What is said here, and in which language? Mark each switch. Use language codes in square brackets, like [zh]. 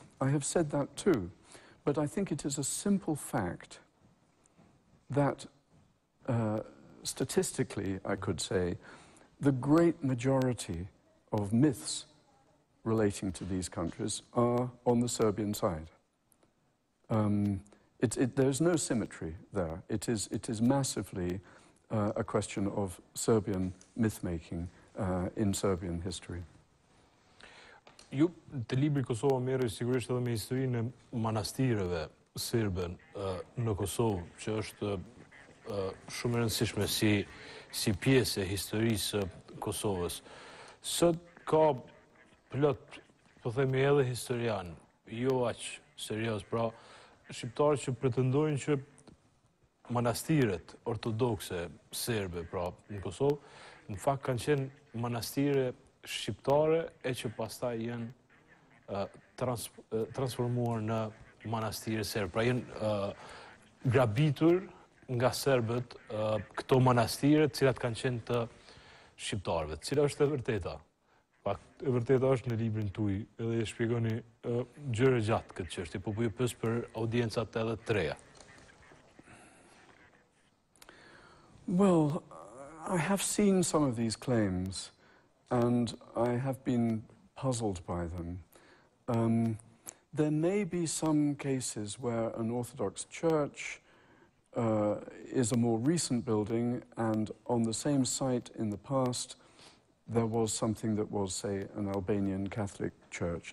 [en] I have said that too. But I think it is a simple fact that statistically, I could say, the great majority of myths relating to these countries are on the Serbian side. There's no symmetry there. It is massively a question of Serbian myth-making in Serbian history. [sq] Ju te libri Kosova merri sigurisht edhe me historinë e manastireve serbe në Kosovë, që është shumë e rëndësishme si pjesë e historisë së Kosovës. Sot ka plot, po themi edhe historian, jo aq serioz, pra shqiptarë që pretendojnë që manastiret ortodokse serbe, pra në Kosovë, në fakt kanë qenë manastire shqiptare e që pastaj janë transformuar në manastire serbe. Pra janë grabitur nga serbët këto manastire, të cilat kanë qenë të shqiptarëve. Cila është e vërteta? Pak, e vërteta është në librin tuaj, edhe e shpjegoni gjëra gjatë këtë çështje, po ju pyes për audiencat edhe të treja. [en] Well, I have seen some of these claims and I have been puzzled by them. There may be some cases where an Orthodox church is a more recent building, and on the same site in the past there was something that was, say, an Albanian Catholic church.